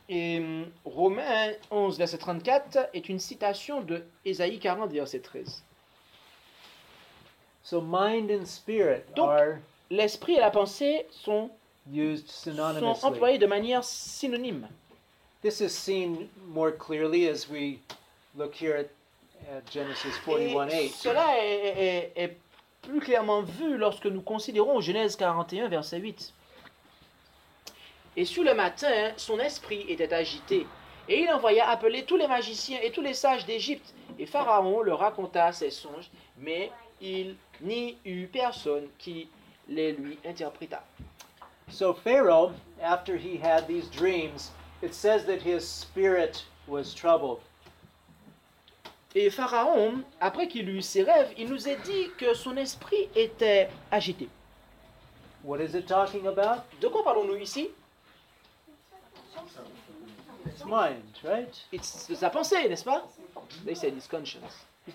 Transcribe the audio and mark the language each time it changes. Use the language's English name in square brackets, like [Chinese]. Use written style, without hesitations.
[French] Et Romains 11 verset 34 est une citation de Ésaïe 40 verset 13. [English] So mind and spirit [French] donc, [English] are [French] l'esprit et la pensée sont, [English] used synonymously. [French] Sont employés de manière synonyme. [English] This is seen more clearly as we look here at Genesis 41:8. [French] Cela est plus clairement vu lorsque nous considérons Genèse 41 verset 8. Et sous le matin, son esprit était agité, et il envoya appeler tous les magiciens et tous les sages d'Égypte, et Pharaon leur raconta ses songes, mais il n'y eut personne qui les lui interpréta. [English] So Pharaoh, after he had these dreams, it says that his spirit was troubled. [French] Et Pharaon, après qu'il eut ses rêves, il nous est dit que son esprit était agité. [English] What is it talking about? [French] De quoi parlons-nous ici? [English] It's mind, right? It's [French] sa pensée, n'est-ce pas? [English] They said his conscience.